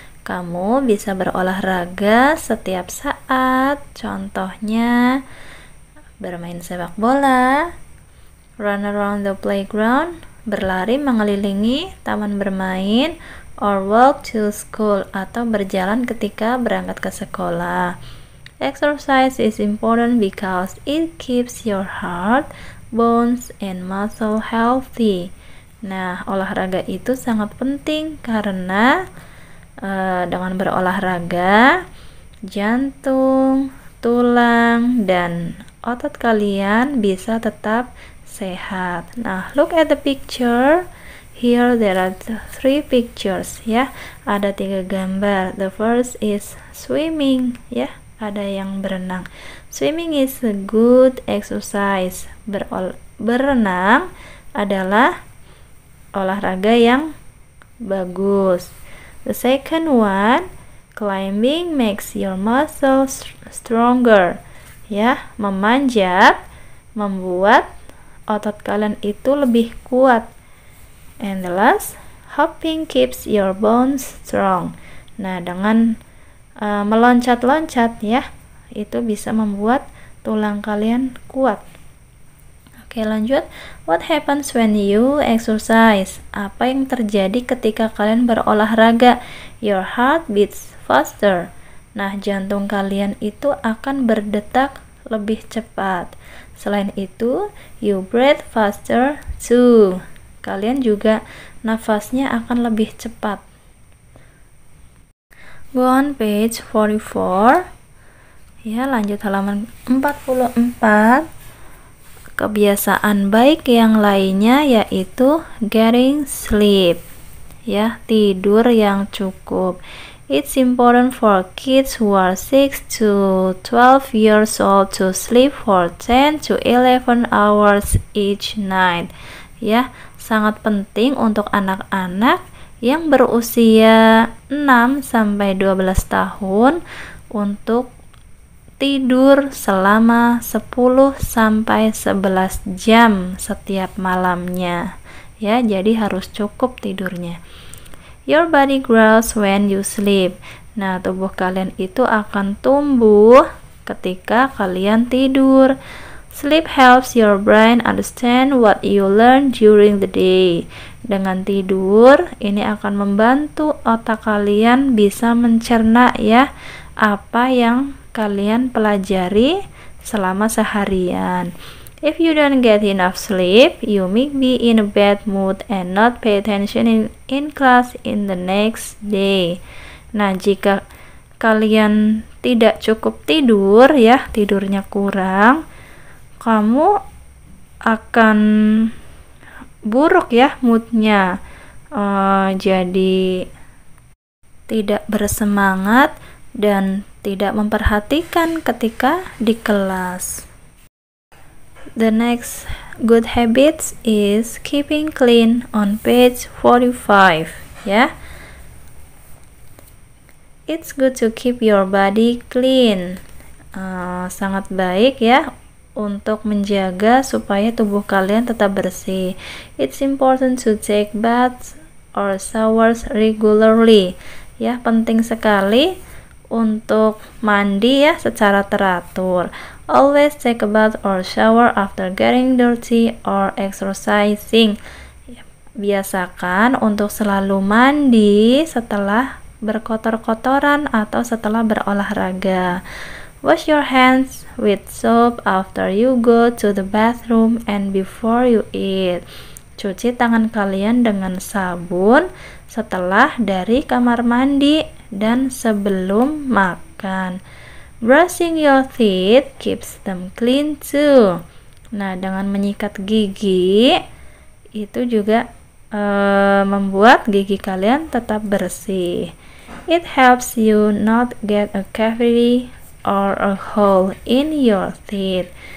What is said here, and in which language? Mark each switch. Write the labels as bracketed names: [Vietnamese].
[Indonesian] Kamu bisa berolahraga setiap saat, contohnya bermain sepak bola, [English] run around the playground, [Indonesian] berlari mengelilingi taman bermain, [English] or walk to school, [Indonesian] atau berjalan ketika berangkat ke sekolah. [English] Exercise is important because it keeps your heart, bones, and muscle healthy. [Indonesian] Nah, olahraga itu sangat penting karena dengan berolahraga, jantung, tulang, dan otot kalian bisa tetap sehat. [English] Nah, look at the picture. Here there are three pictures, ya. [Indonesian] Ada tiga gambar. [English] The first is swimming, ya. [Indonesian] Ada yang berenang. [English] Swimming is a good exercise. [Indonesian] Berenang adalah olahraga yang bagus. [English] The second one, climbing makes your muscles stronger. [Indonesian] Ya, memanjat membuat otot kalian itu lebih kuat. [English] And the last, hopping keeps your bones strong. [Indonesian] Nah, dengan meloncat-loncat ya, itu bisa membuat tulang kalian kuat. Oke, lanjut. [English] What happens when you exercise? [Indonesian] Apa yang terjadi ketika kalian berolahraga? [English] Your heart beats faster. [Indonesian] Nah, jantung kalian itu akan berdetak lebih cepat. Selain itu, [English] you breathe faster too. [Indonesian] Kalian juga nafasnya akan lebih cepat. [English] Go on page 44. [Indonesian] Ya, lanjut halaman 44. Kebiasaan baik yang lainnya yaitu [English] getting sleep. [Indonesian] Ya, tidur yang cukup. [English] It's important for kids who are 6 to 12 years old to sleep for 10 to 11 hours each night. [Indonesian] Ya, sangat penting untuk anak-anak yang berusia 6 sampai 12 tahun untuk tidur selama 10 sampai 11 jam setiap malamnya. Ya, jadi harus cukup tidurnya. [English] Your body grows when you sleep. [Indonesian] Nah, tubuh kalian itu akan tumbuh ketika kalian tidur. [English] Sleep helps your brain understand what you learn during the day. [Indonesian] Dengan tidur, ini akan membantu otak kalian bisa mencerna ya apa yang kalian pelajari selama seharian. [English] If you don't get enough sleep, you may be in a bad mood and not pay attention in class in the next day. [Indonesian] Nah, jika kalian tidak cukup tidur ya, tidurnya kurang, kamu akan buruk ya moodnya, jadi tidak bersemangat dan tidak memperhatikan ketika di kelas. [English] The next good habits is keeping clean on page 45. Ya, it's good to keep your body clean. [Indonesian] Sangat baik ya untuk menjaga supaya tubuh kalian tetap bersih. [English] It's important to take baths or showers regularly. [Indonesian] Ya, penting sekali untuk mandi ya secara teratur. [English] Always take a bath or shower after getting dirty or exercising. [Indonesian] Biasakan untuk selalu mandi setelah berkotor-kotoran atau setelah berolahraga. [English] Wash your hands with soap after you go to the bathroom and before you eat. [Indonesian] Cuci tangan kalian dengan sabun setelah dari kamar mandi dan sebelum makan. [English] Brushing your teeth keeps them clean too. [Indonesian] Nah, dengan menyikat gigi itu juga membuat gigi kalian tetap bersih. [English] It helps you not get a cavity or a hole in your teeth.